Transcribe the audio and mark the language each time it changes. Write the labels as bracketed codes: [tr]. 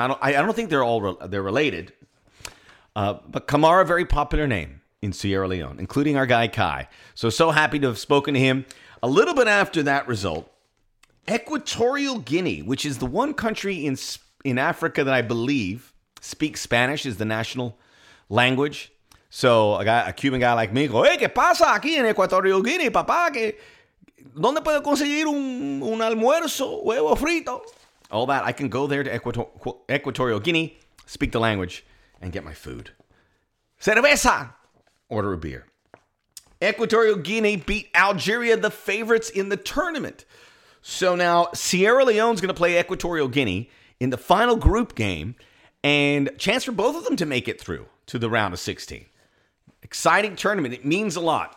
[en] I don't think they're related. But Kamara, very popular name in Sierra Leone, including our guy Kai. So happy to have spoken to him. A little bit after that result, Equatorial Guinea, which is the one country in Africa that I believe speaks Spanish, is the national language. So a Cuban guy like me go, hey, [es] ¿qué pasa aquí en Equatorial Guinea, papá? ¿Dónde puedo conseguir un almuerzo, huevo frito? [en] All that. I can go there to Equatorial Guinea, speak the language, and get my food. Cerveza! Order a beer. Equatorial Guinea beat Algeria, the favorites in the tournament. So now Sierra Leone's going to play Equatorial Guinea in the final group game and chance for both of them to make it through to the round of 16. Exciting tournament. It means a lot.